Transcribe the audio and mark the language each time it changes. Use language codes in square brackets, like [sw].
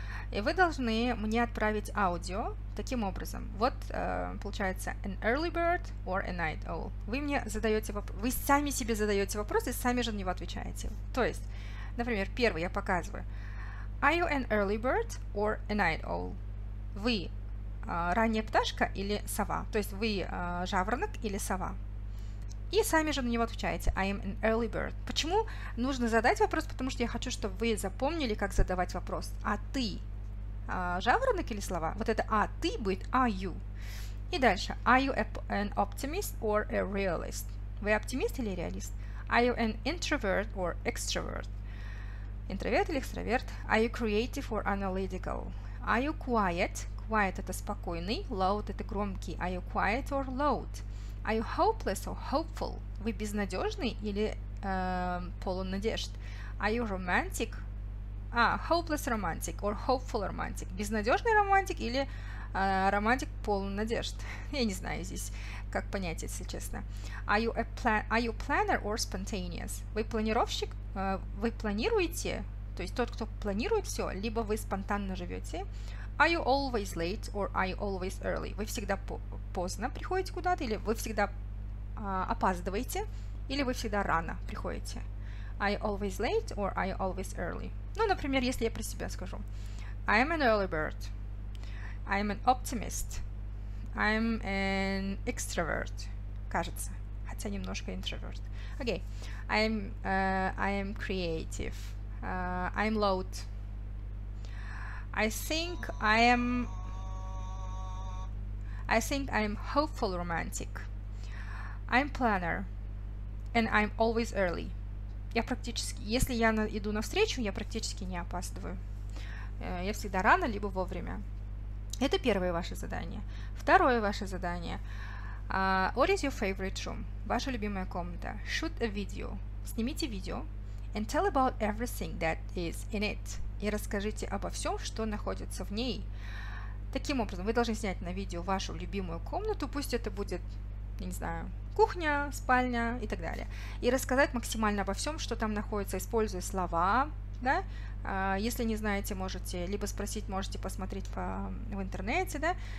[ru] И вы должны мне отправить аудио таким образом. Вот получается [en] an early bird or a night owl. [ru] Вы сами себе задаете вопрос и сами же на него отвечаете. То есть, например, первый я показываю. [en] Are you an early bird or a night owl? [ru] Вы ранняя пташка или сова? То есть вы жаворонок или сова? И сами же на него отвечаете. [en] I am an early bird. [ru] Почему нужно задать вопрос? Потому что я хочу, чтобы вы запомнили, как задавать вопрос. А ты? Жаворонок или слова? Вот это а ты будет [en] are you. [ru] И дальше. [en] Are you an optimist or a realist? [ru] Вы оптимист или реалист? [en] Are you an introvert or extrovert? [ru] Интроверт или экстраверт? [en] Are you creative or analytical? Are you quiet? [ru] Quiet – это спокойный. Loud – это громкий. [en] Are you quiet or loud? Are you hopeless or hopeful? [ru] Вы безнадежный или полон надежд? [en] Are you romantic? Hopeless romantic or hopeful romantic. [ru] Безнадежный романтик или романтик полон надежд? Я не знаю здесь, как понять, если честно. [en] Are you planner or spontaneous? [ru] Вы планировщик? Вы планируете? То есть тот, кто планирует все, либо вы спонтанно живете? [en] Are you always late or are you always early? [ru] Вы всегда поздно приходите куда-то, или вы всегда опаздываете, или вы всегда рано приходите? [en] Are you always late or are you always early? [ru] Ну, например, если я про себя скажу. [en] I am an early bird. I am an optimist. I am an extrovert. [ru] Кажется, хотя немножко introvert. [en] Окей. Okay. I am creative. I am loud. I think I am I think I'm hopeful romantic. I'm planner. And I'm always early. [ru] Я практически, если я иду навстречу, я практически не опаздываю. Я всегда рано, либо вовремя. Это первое ваше задание. Второе ваше задание. [en] What is your favorite room? [ru] Ваша любимая комната. [en] Shoot a video. [ru] Снимите видео. [en] And tell about everything that is in it. [ru] И расскажите обо всем, что находится в ней. Таким образом, вы должны снять на видео вашу любимую комнату, пусть это будет, я не знаю, кухня, спальня и так далее. И рассказать максимально обо всем, что там находится, используя слова. Да? Если не знаете, можете либо спросить, можете посмотреть в интернете, да?